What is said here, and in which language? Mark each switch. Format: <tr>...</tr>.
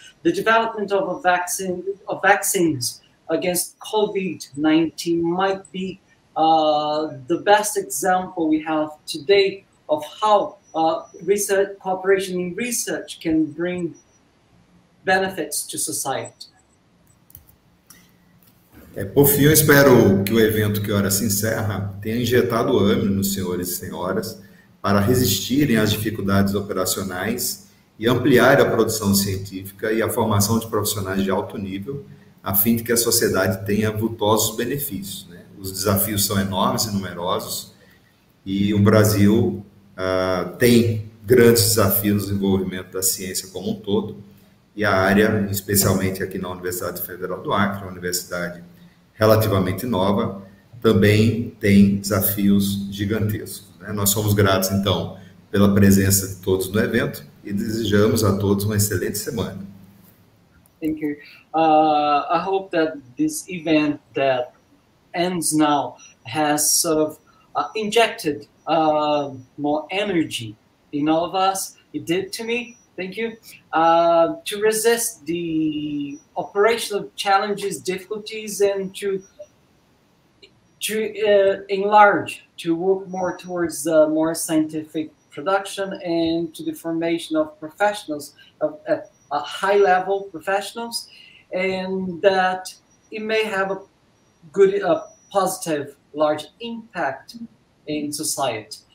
<en>The development of vaccines against COVID-19 might be the best example we have today of how research cooperation in research can bring benefits to society.</en> <pt>Por fim, eu espero que o evento que ora se encerra tenha injetado ânimo nos senhores e senhoras para resistirem às dificuldades operacionais e ampliar a produção científica e a formação de profissionais de alto nível, a fim de que a sociedade tenha vultosos benefícios. Os desafios são enormes e numerosos, e o Brasil tem grandes desafios no desenvolvimento da ciência como um todo, e a área, especialmente aqui na Universidade Federal do Acre, uma universidade relativamente nova, também tem desafios gigantescos, né? Nós somos gratos, então, pela presença de todos no evento e desejamos a todos uma excelente semana.</pt> <en>Thank you. I hope that this event that ends now has sort of injected more energy in all of us. It did to me. Thank you. To resist the operational challenges, difficulties, and to enlarge, to work more towards more scientific production and to the formation of professionals of a high level professionals, and that it may have a good, a positive, large impact in society.</en>